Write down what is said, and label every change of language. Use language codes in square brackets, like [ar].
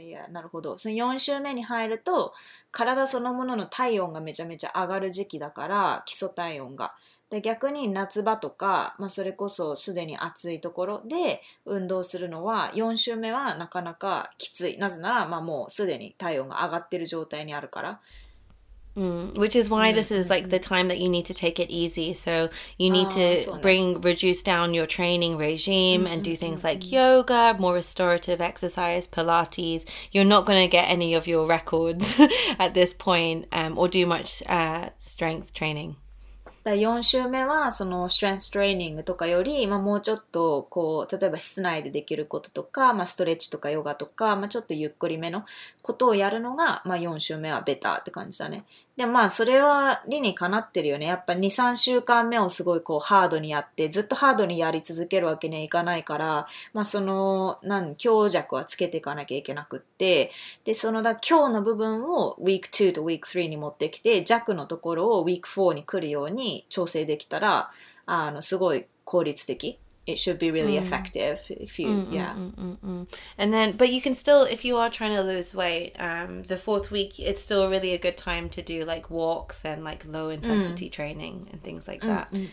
[ja] なるほど。その4週目に入ると、体そのものの体温がめちゃめちゃ上がる時期だから基礎体温がで逆に夏場とか、まあ、それこそすでに暑いところで運動するのは4週目はなかなかきついなぜなら、まあ、もうすでに体温が上がってる状態にあるから、 [en] Which is why this is like the time that you need to take it easy. So you need to reduce down your training regime and do things like yoga, more restorative exercise, Pilates. You're not going to get any of your records at this point or do much strength training. [ja] だ4週目はそのストレンストレーニングとかより、まあ、もうちょっとこう例えば室内でできることとか、まあ、ストレッチとかヨガとか、まあ、ちょっとゆっくりめのことをやるのが、まあ、4週目はベターって感じだね。でまあそれは理にかなってるよね。やっぱ2、3週間目をすごいこうハードにやってずっとハードにやり続けるわけにはいかないから、まあ、その何強弱はつけていかなきゃいけなくって、でそのだ強の部分を week 2と week 3に持ってきて弱のところを week 4に来るように調整できたら、あのすごい効率的。 [en] It should be really effective if you, And then, but you can still, if you are trying to lose weight, the fourth week, it's still really a good time to do like walks and like low intensity training and things like that.